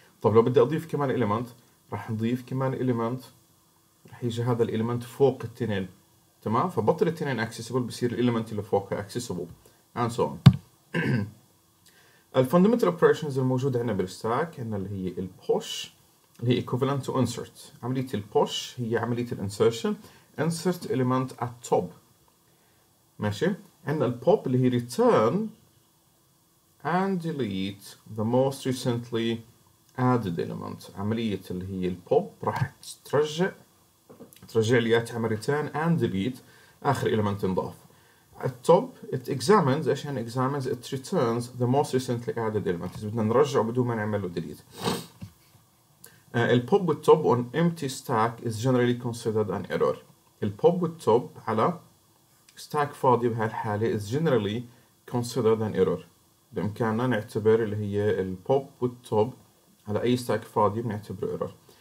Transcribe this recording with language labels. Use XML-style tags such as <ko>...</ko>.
<ar>طب لو بدي اضيف كمان اليمنت، راح نضيف كمان اليمنت، راح يجي هذا الاليمنت فوق الاثنين، تمام؟ فبطل الاثنين اكسسبل، بصير الاليمنت اللي فوقها اكسسبل</ar> <en>and so on.</en> <ar>الفاندمنتال اوبريشنز الموجودة عندنا بالستاك هنا اللي هي البوش، اللي هي</ar> <en>equivalent to insert.</en> <ar>عملية البوش هي عملية الانسرشن،</ar> <en>insert element at top،</en> <ar>ماشي؟ عندنا البوب اللي هي</ar> <en>return and delete the most recently added element.</en> <ar>عملية اللي هي البوب راح ترجع لي تعمل</ar> <en>return and delete</en> <ar>آخر element انضاف.</ar> <en>At top it examines</en> <ar>ايش يعني</ar> <en>examines، it returns the most recently added element.</en> <ar>بدنا نرجع بدون ما نعمل له delete.</ar> <en>الpop والtop on empty stack is generally considered an error.</en> <ar>الpop والtop على stack فاضي بهالحالة</ar> <en>is generally considered an error.</en> <ar>بإمكاننا نعتبر اللي هي الpop والtop على أي stack فاضي بنعتبره error.</ar>